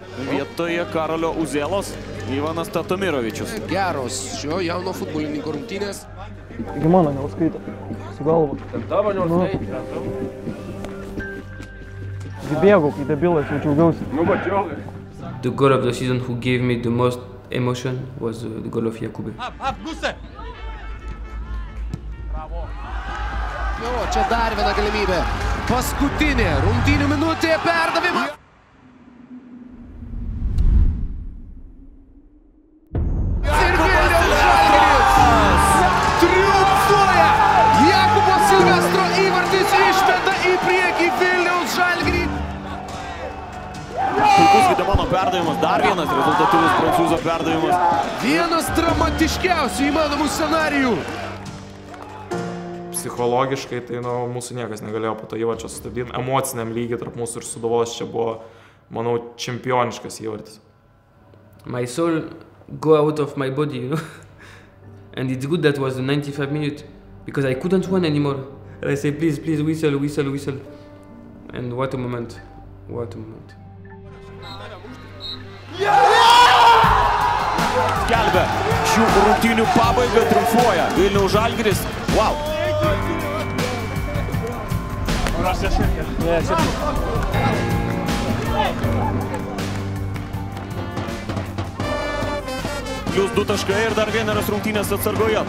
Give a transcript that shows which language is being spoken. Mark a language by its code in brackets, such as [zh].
[lt] Vietoje Karolio Uzėlos Ivanas Tatomirovičius. Geros šio jauno futbolininko rungtynės. Į mano neuskaitę. Su galvo. Tavo neuskaitę. Įbėgau, kai debilas, jau džiaugiausi. Nu, bet jau. [en] The goal of the season who gave me the most emotion was the goal of Jakubi. Up, Guse! [lt] Bravo. Jo, čia dar viena galimybė. Paskutinė rungtynių minutė perdavimą. Perdavimas, dar vienas rezultatyvus prancūzo perdavimas. Vienas dramatiškiausių įmanomų scenarijų. Psichologiškai tai nu, mūsų niekas negalėjo po to įvarčio sustabdyti. Emociniam lygiai tarp mūsų ir Sūduvos čia buvo, manau, čempioniškas įvartis. [en] My soul go out of my body, you know. And it's good that was the 95 minute, because I couldn't win anymore. And I say, please, please, whistle, whistle, whistle. And what a moment, what a moment. [lt] Skelbia, šių rungtynių pabaigą triumfuoja Vilniaus Žalgiris. Wow! Plius du taškai ir dar vieneras rungtynės atsargoje.